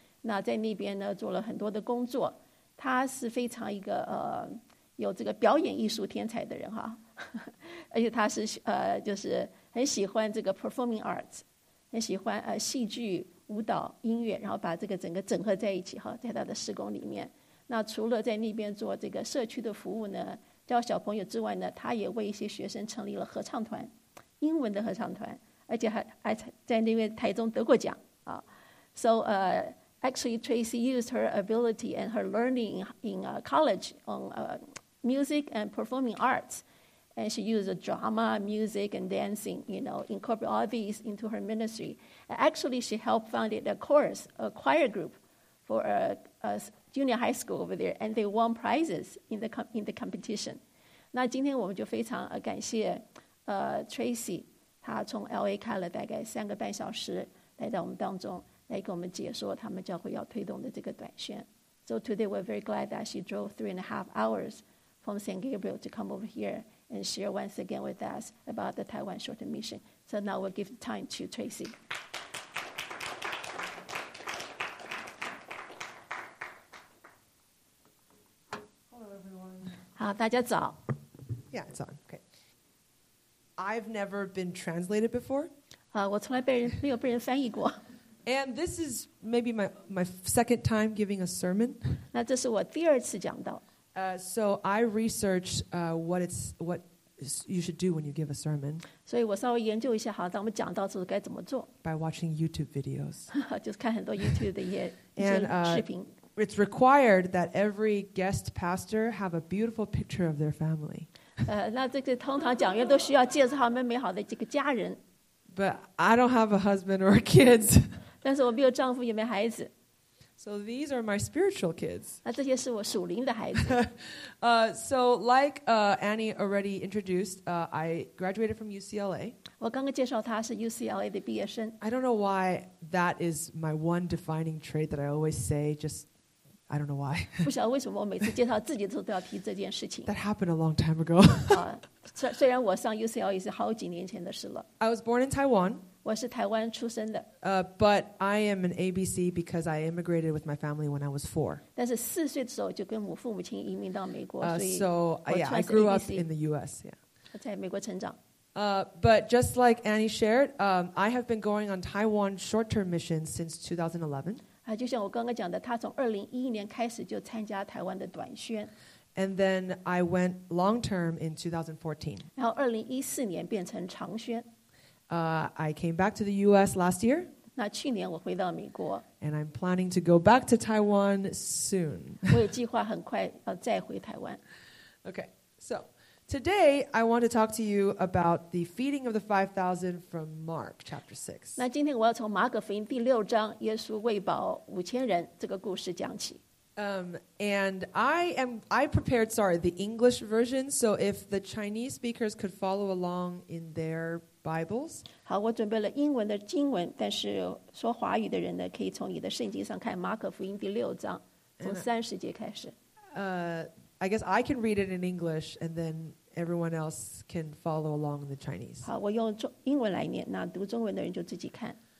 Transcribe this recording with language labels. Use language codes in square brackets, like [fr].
[zh] 那在那边呢做了很多的工作，他是非常一个有这个表演艺术天才的人哈，而且他是就是很喜欢这个 [en] performing arts, [zh] 很喜欢戏剧舞蹈音乐，然后把这个整个整合在一起哈，在他的事工里面。那除了在那边做这个社区的服务呢，教小朋友之外呢，他也为一些学生成立了合唱团，英文的合唱团，而且还在那边台中得过奖啊。 [en] So actually Tracy used her ability and her learning in college on music and performing arts, and she used drama, music, and dancing, you know, incorporate all these into her ministry. Actually, she helped founded a chorus, a choir group, for a junior high school over there, and they won prizes in the competition. [zh] 那今天我们就非常感谢Tracy, 他从 LA 开了大概三个半小时来到我们当中，来给我们解说他们教会要推动的这个短宣。 [en] So today we're very glad that she drove 3.5 hours from San Gabriel to come over here and share once again with us about the Taiwan short mission. So now we'll give time to Tracy. [zh] 大家早。 [en] Yeah, it's on. Okay. I've never been translated before. [zh] 我从来没有被人翻译过。 [en] And this is maybe my second time giving a sermon. [zh] 那这是我第二次讲道。 [en] So I researched what you should do when you give a sermon. [zh] 所以我稍微研究一下，好，当我们讲道时该怎么做。 [en] By watching YouTube videos. [zh] 就是看很多 YouTube 的一些视频。 [en] It's required that every guest pastor have a beautiful picture of their family. [zh] 那这个通常讲员都需要介绍他们美好的这个家人。 [en] But I don't have a husband or kids. [zh] 但是我没有丈夫也没孩子。 [en] So these are my spiritual kids. [zh] 那这些是我属灵的孩子。 [en] So like Annie already introduced, I graduated from UCLA. [zh] 我刚刚介绍他是 UCLA 的毕业生。 [en] I don't know why that is my one defining trait that I always say just. I don't know why. [zh] 不晓得为什么我每次介绍自己的时候都要提这件事情。 [en] That happened a long time ago. [zh] 虽然我上 UCLA 也是好几年前的事了。 [en] I was born in Taiwan. [zh] 我是台湾出生的。 [en] But I am an ABC because I immigrated with my family when I was 4. [zh] 但是四岁的时候就跟我父母亲移民到美国，所以我算是 [en] ABC. I grew up in the US. Yeah. [zh] 我在美国成长。 [en] But just like Annie shared, I have been going on Taiwan short-term missions since 2011. [zh] 就像我刚刚讲的，他从2011年开始就参加台湾的短宣。 [en] And then I went long term in 2014. [zh] 然后2014年变成长宣。 [en] I came back to the US last year. [zh] 那去年我回到美国。 [en] And I'm planning to go back to Taiwan soon. [zh] 我也计划很快要再回台湾。 [en] Okay, so today I want to talk to you about the feeding of the 5,000 from Mark chapter 6. [zh] 那今天我要从马可福音第六章耶稣喂饱五千人这个故事讲起。 [en] And I prepared, sorry, the English version. So if the Chinese speakers could follow along in their Bibles. [zh] 好，我准备了英文的经文，但是说华语的人呢，可以从你的圣经上看《马可福音》第六章，从三十节开始。 [en] I guess I can read it in English, and then everyone else can follow along in the Chinese. [zh] 好，我用英文来念，那读中文的人就自己看。